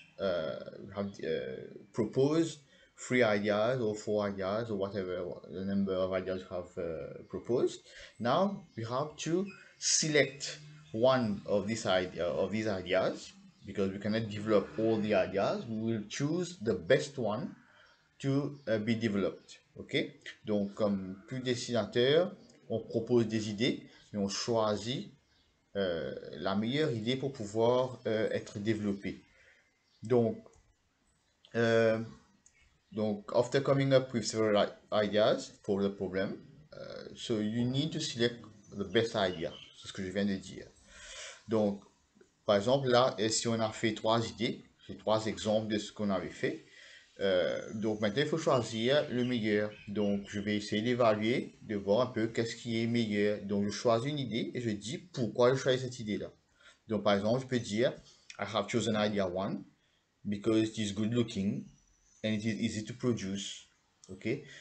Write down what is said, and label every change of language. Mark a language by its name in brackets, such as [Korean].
[English] We have proposed three ideas or four ideas or whatever the number of ideas we have proposed. Now we have to select one of these ideas, because we cannot develop all the ideas. We will choose the best one to be developed. Okay. [French] Donc comme tout dessinateur, on propose des idées. Et on choisit la meilleure idée pour pouvoir être développée. Donc, [English] after coming up with several ideas for the problem, so you need to select the best idea. [French] C'est ce que je viens de dire. Donc, par exemple, là, si on a fait trois idées, c'est trois exemples de ce qu'on avait fait. Donc, maintenant, il faut choisir le meilleur. Donc, je vais essayer d'évaluer, de voir un peu qu'est-ce qui est meilleur. Donc, je choisis une idée et je dis pourquoi je choisis cette idée-là. Donc, par exemple, je peux dire, [English] I have chosen idea one because it is good looking and it is easy to produce. OK?